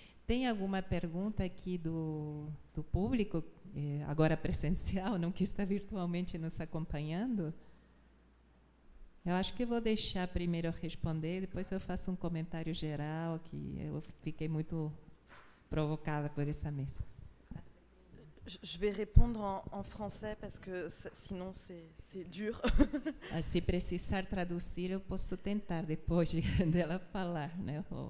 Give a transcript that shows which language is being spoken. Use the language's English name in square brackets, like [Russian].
[Portuguese] Tem alguma pergunta aqui do público, agora presencial, não que está virtualmente nos acompanhando? Eu acho que vou deixar primeiro responder, depois eu faço um comentário geral, que eu fiquei muito provocada por essa mesa. [French] Je vais répondre en français parce que sinon c'est dur. [Portuguese] Se precisar traduzir, eu posso tentar depois dela falar, né?